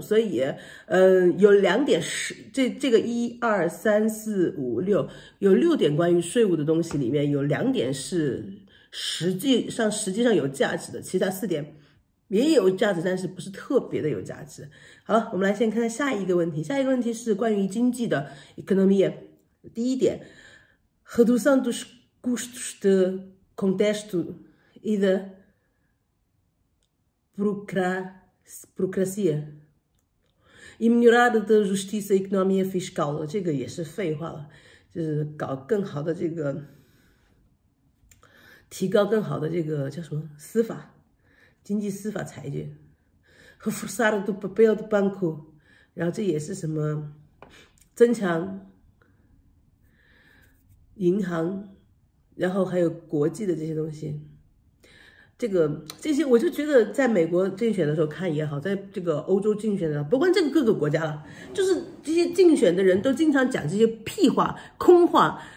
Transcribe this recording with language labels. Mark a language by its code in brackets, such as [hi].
[zh] 所以有两点，这个一二三四五六，有六点关于税务的东西，里面有两点是实际上有价值的，其他四点也有价值，但是不是特别的有价值。好了，我们来先看看下一个问题。下一个问题是关于经济的 economy。第一点， [pt] redução dos custos de contexto e da burocracia e melhorada da justiça e economia fiscal。 [zh] 这个也是废话了，就是搞更好的这个。提高更好的这个叫什么司法，经济司法裁决和 [pt] forçar do papel do banco， [zh] 然后这也是什么增强银行，然后还有国际的这些东西，这些我就觉得在美国竞选的时候看也好，在这个欧洲竞选的，不管这个各个国家了，就是这些竞选的人都经常讲这些屁话、空话。